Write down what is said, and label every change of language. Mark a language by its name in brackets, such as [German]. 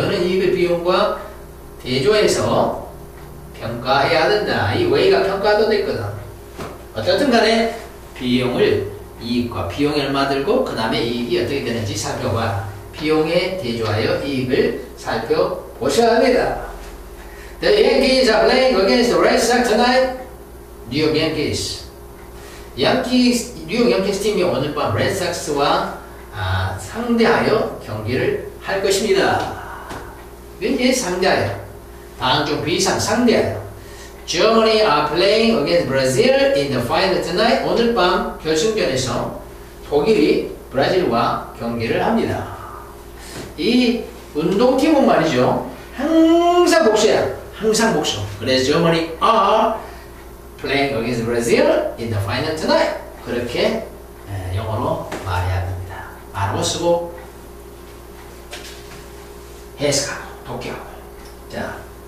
[Korean] 너는 이익을 비용과 대조해서 평가해야 된다. 이 way가 평가도 됐거든. 어쨌든 간에 비용을 이익과 비용이 얼마 들고 그 다음에 이익이 어떻게 되는지 살펴봐. 비용에 대조하여 이익을 살펴보셔야 합니다. [English] The Yankees are playing against the Red Sox tonight. [Korean] New York Yankees. Yankees, 뉴욕 양키스 팀이 오늘 밤 Red Sox와 상대하여 경기를 할 것입니다. 굉장히 상대하여. 방중 비상 상대하여. [English] Germany are playing against Brazil in the final tonight. [Korean] 오늘 밤 결승전에서 독일이 브라질과 경기를 합니다. 이 운동팀은 말이죠. 항상 복수야. 항상 복수. 그래서 [English] Germany are playing against Brazil in the final tonight. [Korean] 그렇게 영어로 말해야 됩니다. 말로 쓰고 해석하고 독해하고.